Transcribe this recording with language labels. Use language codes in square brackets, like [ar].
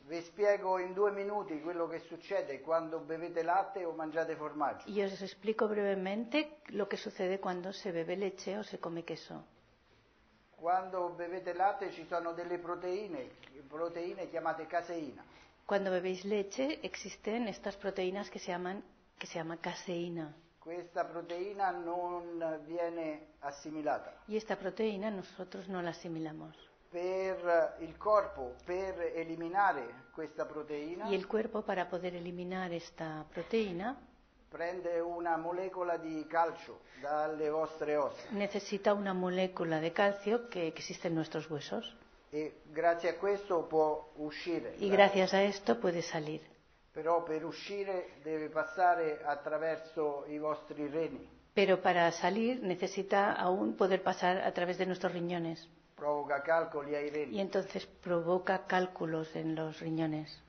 [it] Vi spiego in due minuti quello che succede quando bevete latte o mangiate formaggio. [es] Y os explico brevemente lo que sucede cuando se bebe leche o se come queso. [it] Quando bevete latte ci sono delle proteine chiamate caseina. [es] Cuando bebéis leche existen estas proteínas que se llama caseína. [it] Questa proteína non viene assimilata. [es] Y esta proteína nosotros no la asimilamos. [it] Per il corpo, per eliminare questa proteína. [es] Y el cuerpo para poder eliminar esta proteína. [it] Prende una molecola di calcio dalle vostre ossa. [es] Necesita una molécula de calcio que existe en nuestros huesos. [it] E grazie a questo può uscire. [es] Y gracias a esto puede salir. [it] Però per uscire deve passare attraverso i vostri reni. [es] Pero para salir necesita aún poder pasar a través de nuestros riñones. [it] Provoca calcoli ai reni. [es] Y entonces provoca cálculos en los riñones.